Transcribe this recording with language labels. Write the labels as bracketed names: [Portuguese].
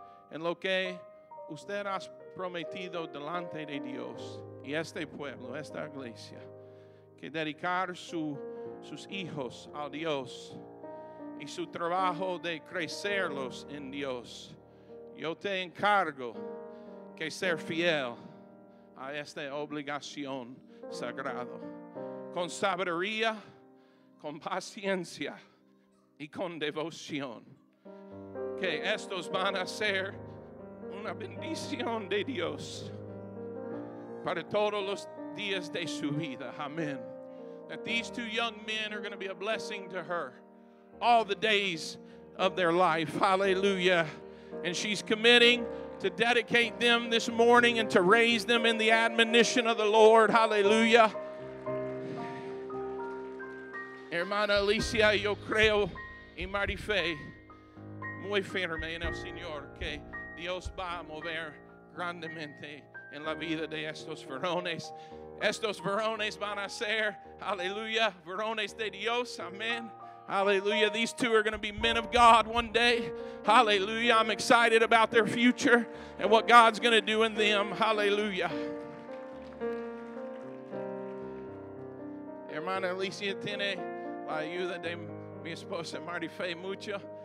[Spanish] En lo que usted ha prometido delante de Dios y este pueblo, esta iglesia, que dedicar sus hijos a Dios y su trabajo de crecerlos en Dios, yo te encargo que ser fiel a esta obligación sagrada, con sabiduría, con paciencia y con devoción, que estos van a ser una bendición de Dios para todos los días de su vida. Amén. [English] That these two young men are going to be a blessing to her all the days of their life. Hallelujah. And she's committing to dedicate them this morning and to raise them in the admonition of the Lord. Hallelujah. [Spanish] Hermana Alicia, yo creo en mari fe muy firme en el Señor que Dios va a mover grandemente en la vida de estos varones. Estos varones van a ser, aleluya, varones de Dios, amén. [English] Hallelujah. These two are going to be men of God one day. Hallelujah. I'm excited about their future and what God's going to do in them. Hallelujah. [Spanish] Hermana Alicia tiene la ayuda de mi esposa Mary Fay mucho.